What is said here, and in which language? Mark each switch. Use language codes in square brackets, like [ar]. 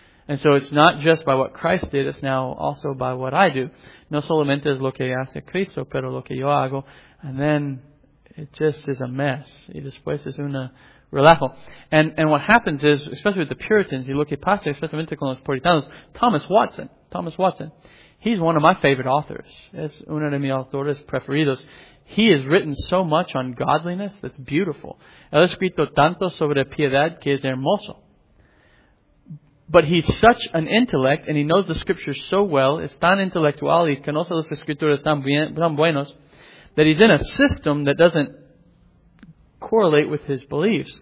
[en] And so it's not just by what Christ did, it's now also by what I do. [es] No solamente es lo que hace Cristo, pero lo que yo hago. [en] And then it just is a mess. [es] Y después es una relajo. [en] And what happens is, especially with the Puritans, [es] y lo que pasa, especialmente con los puritanos, [en] Thomas Watson, he's one of my favorite authors. [es] Es uno de mis autores preferidos. [en] He has written so much on godliness that's beautiful. [es] Él ha escrito tanto sobre piedad que es hermoso. [en] But he's such an intellect and he knows the scriptures so well, [es] es tan intelectual y conoce las escrituras tan bien, tan buenos, [en] that he's in a system that doesn't correlate with his beliefs.